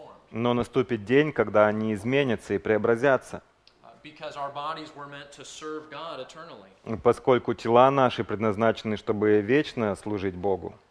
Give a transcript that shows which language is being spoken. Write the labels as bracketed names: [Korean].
[Russian] Но наступит день, когда они изменятся и преобразятся. [English] because our bodies were meant to serve God eternally. [Russian] Поскольку тела наши предназначены, чтобы вечно служить Богу.